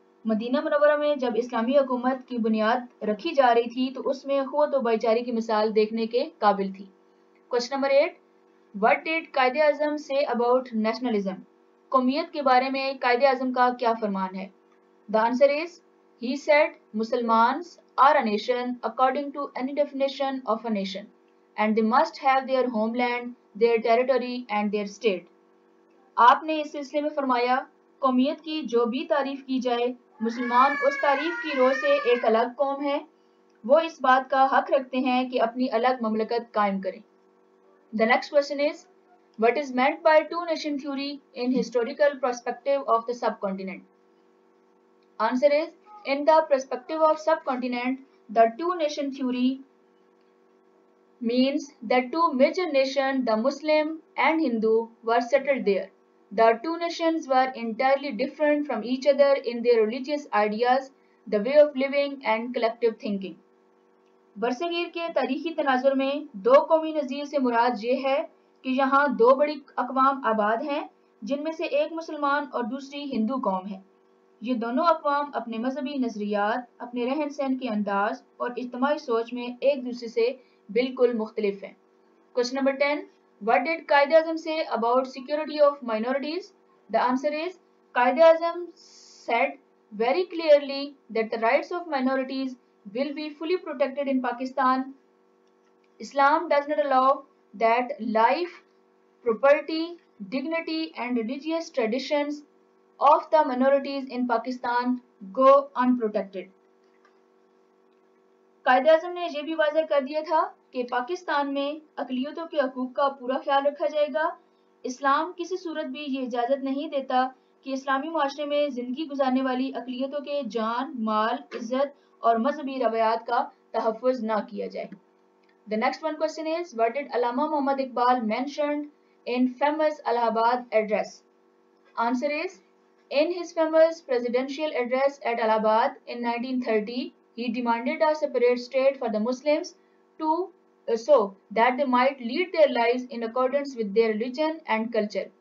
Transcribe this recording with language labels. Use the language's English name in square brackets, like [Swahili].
[Urdu] مدینہ منورہ میں جب اسلامی حکومت کی بنیاد رکھی جا رہی تھی تو اس میں اخوت و بھائیچاری کی مثال دیکھنے کے قابل تھی. [English] Question number 8. What did Quaid Azam say about nationalism? [Urdu] قومیت کے بارے میں قائد اعظم کا کیا فرمان ہے؟ [English] The answer is, he said Muslims are a nation according to any definition of a nation and they must have their homeland, their territory and their state. [Urdu] آپ نے اس سلسلے میں فرمایا, قومیت کی جو بھی تعریف کی جائے مسلمان اس تعریف کی روح سے ایک الگ قوم ہے, وہ اس بات کا حق رکھتے ہیں کہ اپنی الگ مملکت قائم کریں. [English] The next question is, what is meant by two nation theory in historical perspective of the subcontinent? Answer is, in the perspective of subcontinent, the two nation theory means that two major nations, the Muslim and Hindu, were settled there. The two nations were entirely different from each other in their religious ideas, the way of living and collective thinking. [Urdu] برصغیر کے تاریخی تناظر میں دو قومی نظیر سے مراد یہ ہے کہ یہاں دو بڑی اقوام آباد ہیں جن میں سے ایک مسلمان اور دوسری ہندو قوم ہے. یہ دونوں اقوام اپنے مذہبی نظریات, اپنے رہن سہن کے انداز اور اجتماعی سوچ میں ایک دوسرے سے بالکل مختلف ہیں. [English] Question number 10. What did Quaid Azam say about security of minorities? The answer is, Quaid Azam said very clearly that the rights of minorities will be fully protected in Pakistan. Islam does not allow that life, property, dignity and religious traditions of the minorities in Pakistan go unprotected. [Urdu] Quaid Azam نے یہ بھی واضح کر دیا تھا کہ پاکستان میں اقلیتوں کے حقوق کا پورا خیال رکھا جائے گا. اسلام کسی صورت بھی یہ اجازت نہیں دیتا کہ اسلامی معاشرے میں زندگی گزارنے والی اقلیتوں کے جان, مال, عزت اور مذہبی روایات کا تحفظ نہ کیا جائے. [English] The next one question is, what did Allama Muhammad Iqbal mentioned in famous Allahabad address? Answer is, in his famous presidential address at Allahabad in 1930, he demanded a separate state for the Muslims so that they might lead their lives in accordance with their religion and culture.